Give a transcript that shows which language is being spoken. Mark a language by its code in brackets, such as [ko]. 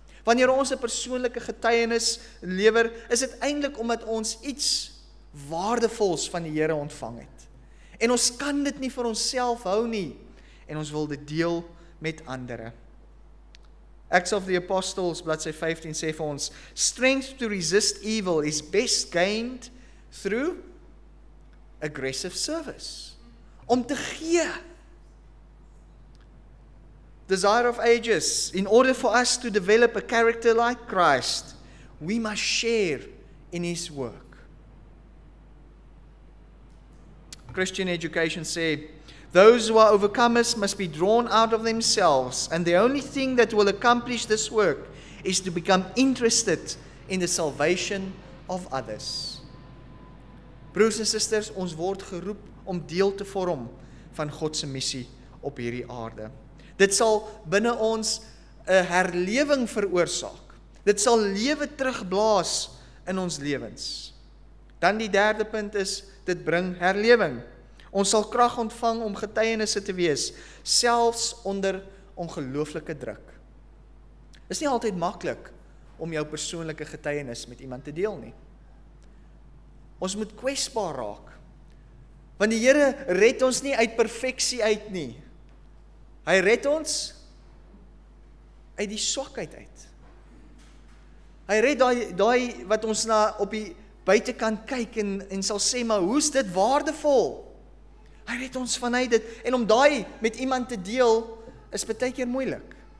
[af] Wanneer ons 'n persoonlike getuienis lewer, is dit eintlik omdat ons iets waardevols van die Here ontvang het. En ons kan dit nie vir onsself hou nie. En ons wil dit deel met andere. [en] Acts of the Apostles, [af] bladsy 15, sê vir ons, [en] strength to resist evil is best gained through aggressive service. [af] Om te gee. [en] Desire of Ages, in order for us to develop a character like Christ, we must share in his work. Christian Education [af] sê, [en] those who are overcomers must be drawn out of themselves, and the only thing that will accomplish this work is to become interested in the salvation of others. [af] Broers en susters, ons word geroep om deel te vorm van God se missie op hierdie aarde. Dit sal binne ons 'n herlewing veroorsaak. Dit sal lewe terugblaas in ons lewens. Dan die derde punt is, dit bring herlewing. Ons sal krag ontvang om getuienisse te wees, selfs onder ongelooflike druk. Het is nie altyd maklik om jou persoonlike getuienis met iemand te deel nie. Ons moet kwesbaar raak, want die Here red ons nie uit perfeksie uit nie. Hy red ons uit die swakheid uit. Hy red daai wat ons na op die buitekant kyk en sal sê, maar hoe is dit waardevol? Hy weet ons vanuit dit, en om daai met iemand te deel, is baie keer moeilik.